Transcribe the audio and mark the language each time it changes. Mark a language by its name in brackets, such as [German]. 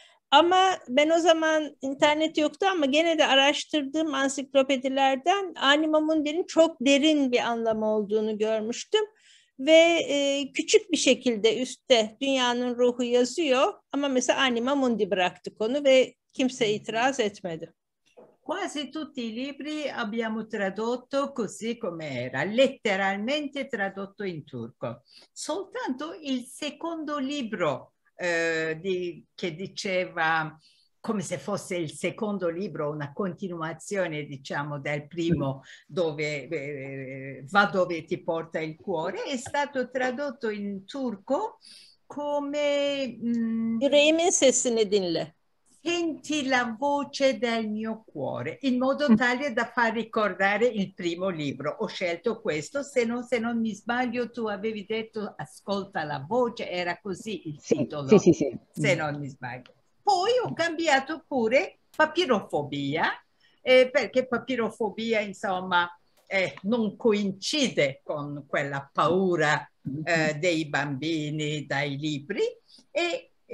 [Turkish] Ama ben o zaman internet yoktu ama gene de araştırdığım ansiklopedilerden Anima Mundi'nin çok derin bir anlamı olduğunu görmüştüm. Ve küçük bir şekilde üstte dünyanın ruhu yazıyor ama mesela Anima Mundi bıraktık onu ve kimse itiraz etmedi. [Italian] Quasi tutti i libri abbiamo tradotto così come era, letteralmente tradotto in turco. Soltanto il secondo libro che diceva come se fosse il secondo libro, una continuazione diciamo del primo dove va dove ti porta il cuore, è stato tradotto in turco come... [Turkish] Yüreğimin sesini dinle. [Italian] Senti la voce del mio cuore, in modo tale da far ricordare il primo libro. Ho scelto questo, se non mi sbaglio tu avevi detto ascolta la voce, era così il titolo, sì. Se non mi sbaglio. Poi ho cambiato pure papirofobia, perché papirofobia insomma non coincide con quella paura dei bambini dai libri e